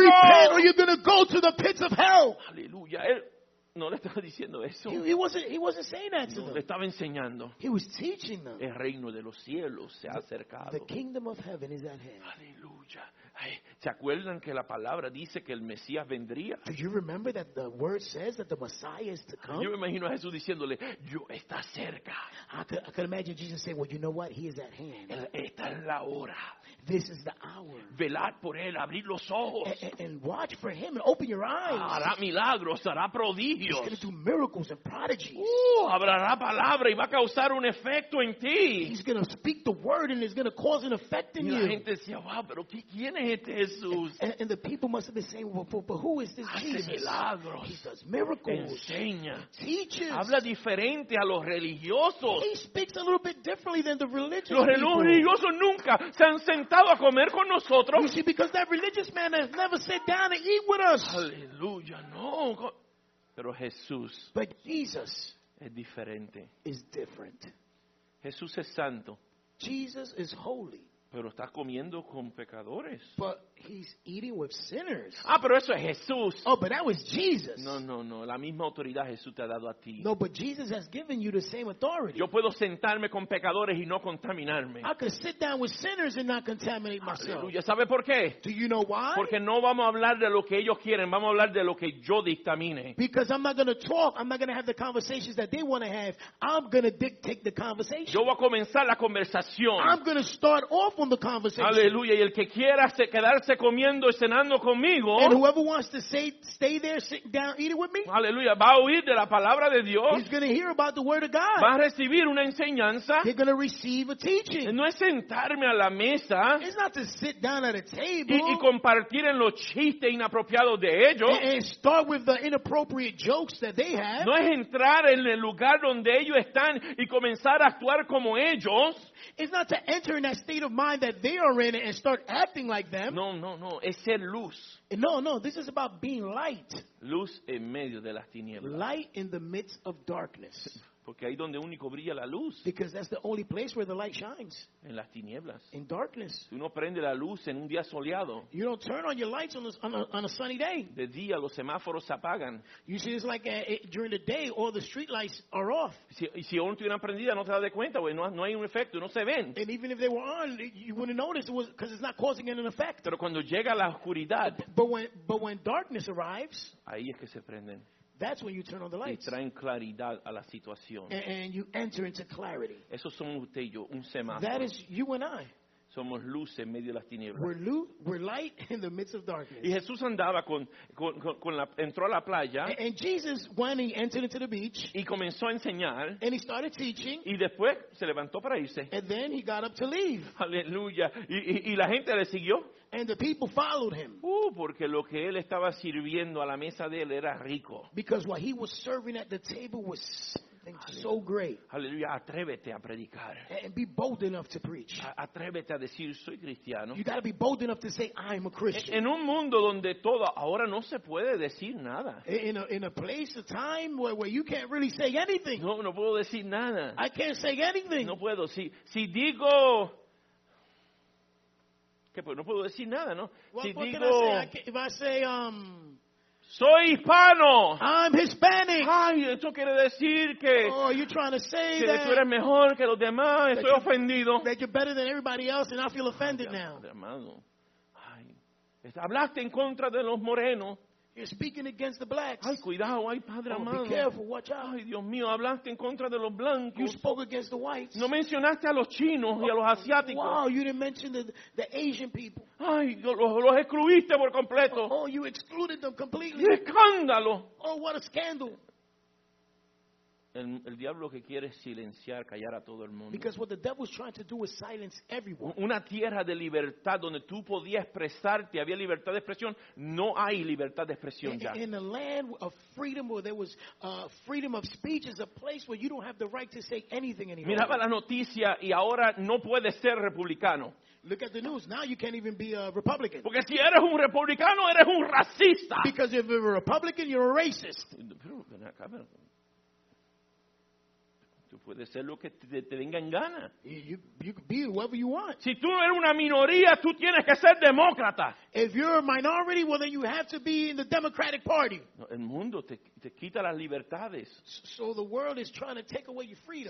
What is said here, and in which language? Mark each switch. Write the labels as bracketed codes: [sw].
[en] Repent or you're going to go to the pits of hell. [es] Aleluya. No le estaba diciendo eso. [en] He wasn't saying that to them. [es] No, le estaba enseñando. [en] He was teaching them. [es] El reino de los cielos se ha acercado. [en] The kingdom of heaven is at hand. [es] Aleluya. Ay, ¿se acuerdan que la palabra dice que el Mesías vendría? [en] Do you remember that the word says that the Messiah is to come? [es] Yo me imagino a Jesús diciéndole, yo está cerca. [en] I could imagine Jesus saying, well, you know what? He is at hand. [es] Esta es la hora. [en] This is the hour. [es] Velar por él, abrir los ojos. [en] And watch for him and open your eyes. [es] Hará milagros, hará prodigios. [en] He's going to do miracles and prodigies. [es] Hablará palabra y va a causar un efecto en ti. [en] He's going to speak the word and it's going to cause an effect in you. [es] Y la gente decía, wow, pero ¿quién es este Jesús? [en] And the people must have been saying, well, but who is this Jesus? [es] Hace milagros. [en] He does miracles. [es] Enseña. [en] Teaches. [es] Habla diferente a los religiosos. [en] He speaks a little bit differently than the religious [es] los [en] people. [es] Los religiosos nunca se han sentado a comer con nosotros. [en] You see, because that religious man has never sat down and eat with us. [es] Aleluya, no. Pero Jesús. [en] But Jesus. [es] es diferente. [en] Is different. [es] Jesús es santo. [en] Jesus is holy. [es] Pero está comiendo con pecadores. [en] But he's eating with sinners. [es] Ah, pero eso es Jesús. [en] Oh, but that was Jesus. [es] No. La misma autoridad Jesús te ha dado a ti. [en] No, but Jesus has given you the same authority. [es] Yo puedo sentarme con pecadores y no contaminarme. [en] I could sit down with sinners and not contaminate myself. [es] Aleluya. ¿Sabe por qué? [en] Do you know why? [es] Porque no vamos a hablar de lo que ellos quieren. Vamos a hablar de lo que yo dictamine. [en] Because I'm not going to talk. I'm not going to have the conversations that they want to have. I'm going to dictate the conversation. [es] Yo voy a comenzar la conversación. [en] I'm going to start off on the conversation. [es] Aleluya. Y el que quiera se quedarse comiendo y cenando conmigo, [en] and whoever wants to stay there, sit down, eat it with me, [es] aleluya, va a oír de la palabra de Dios. [en] He's going to hear about the word of God. [es] Va a recibir una enseñanza. [en] They're going to receive a teaching. [es] No es sentarme a la mesa. [en] It's not to sit down at a table. [es] Y compartir en los chistes inapropiados de ellos. [en] And start with the inappropriate jokes that they have. [es] No es entrar en el lugar donde ellos están y comenzar a actuar como ellos. [en] It's not to enter in that state of mind that they are in and start acting like them. [es] No. Es ser luz. [en] No. This is about being light. [es] Luz en medio de las tinieblas. [en] Light in the midst of darkness. [es] Porque ahí donde único brilla la luz. [en] Because that's the only place where the light shines. [es] En las tinieblas. [en] In darkness. [es] Uno prende la luz en un día soleado. [en] You don't turn on your lights on a sunny day. [es] De día los semáforos se apagan. [en] You see, it's like during the day all the street lights are off. [es] Si uno tuviera prendida no te das cuenta, porque no hay un efecto, no se ven. [en] And even if they were on, you wouldn't notice because it's not causing an effect. [es] Pero cuando llega la oscuridad. [en] But when darkness arrives. [es] Ahí es que se prenden. [en] That's when you turn on the lights. [es] Y traen claridad a la situación. [en] And you enter into clarity. [es] Eso somos usted y yo, un semáforo. [en] That is you and I. [es] Somos luz en medio de las tinieblas. [en] We're light in the midst of darkness. [es] Y Jesús andaba con la, entró a la playa. [en] And Jesus, when he entered into the beach, [es] y comenzó a enseñar. [en] And he started teaching. [es] Y después se levantó para irse. [en] And then he got up to leave. [es] Aleluya. Y la gente le siguió. [en] And the people followed him. [es] Porque lo que él estaba sirviendo a la mesa de él era rico. [en] Because what he was serving at the table was so great. [es] Aleluya, atrévete a predicar. [en] And be bold enough to preach. [es] Atrévete a decir soy cristiano. [en] You got to be bold enough to say I'm a Christian. [es] En un mundo donde todo ahora no se puede decir nada. [en] In a place of time where you can't really say anything. [es] No puedo decir nada. [en] I can't say anything. [es] No puedo si digo que pues no puedo decir nada, ¿no? [en] Well, [es] si [en] what [es] digo [en] can I say? If I say [es] soy hispano. [en] I'm Hispanic. [es] Ay, eso quiere decir que. [en] Oh, are you trying to say [es] que [en] that? [es] Que tú eres mejor que los demás. Estoy ofendido. [en] That you're better than everybody else, and I feel offended now. [es] Hermano, ay, hablaste en contra de los morenos. [en] You're speaking against the blacks. [es] Ay, cuidado, ay, padre amado. [en] Be careful, watch out. [es] Ay, Dios mío, hablaste en contra de los blancos. [en] You spoke against the whites. [es] No mencionaste a los chinos y a los asiáticos. [en] Wow, you didn't mention the Asian people. [es] Ay, los excluiste por completo. [en] Oh, you excluded them completely. [es] ¡Qué escándalo! [en] Oh, what a scandal. [es] El diablo que quiere silenciar, callar a todo el mundo. [en] Because what the devil is trying to do is silence everyone. [es] Una tierra de libertad donde tú podías expresarte, había libertad de expresión, no hay libertad de expresión ya. [en] In a land of freedom where there was freedom of speech is a place where you don't have the right to say anything anymore. [es] Miraba la noticia y ahora no puedes ser republicano. [en] Look at the news. Now you can't even be a Republican. [es] Porque si eres un republicano, eres un racista. [en] Because if you're a Republican, you're a racist. [es] Puede ser lo que te venga en gana. [en] You can be whoever you want. [es] Si tú eres una minoría, tú tienes que ser demócrata. [en] If you're a minority, well then you have to be in the Democratic Party. [es] No, el mundo te quita las libertades. [en] So the world is trying to take away your freedom.